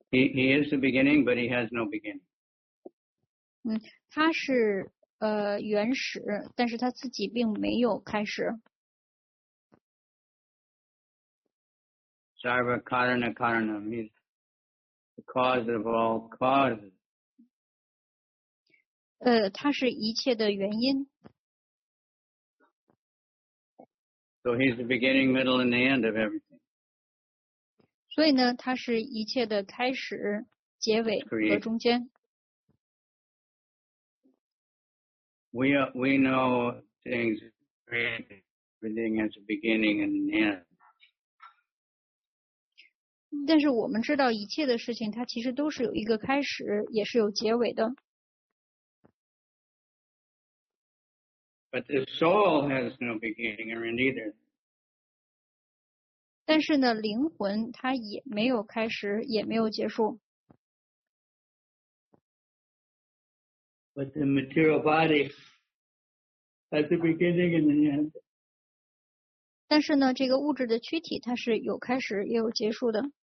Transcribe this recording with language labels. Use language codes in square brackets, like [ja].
[en] He is the beginning, but he has no beginning. [zh] 他是。原始，但是他自己并没有开始。 [sa] Sarva Karana Karanam. [en] He's the cause of all causes. [zh] 他是一切的原因。 [en] So he's the beginning, middle, and the end of everything. [zh] 所以呢, 他是一切的开始, 结尾和中间。 [en] We know things created, everything has a beginning and an end. [zh] 但是我们知道一切的事情, 它其实都是有一个开始, 也是有结尾的。 [en] But the soul has no beginning or end either. [zh] 但是呢, 灵魂, 它也没有开始, 也没有结束。 [en] But the material body at the beginning and the end. [zh] 但是呢, 这个物质的躯体, 它是有开始, 也有结束的。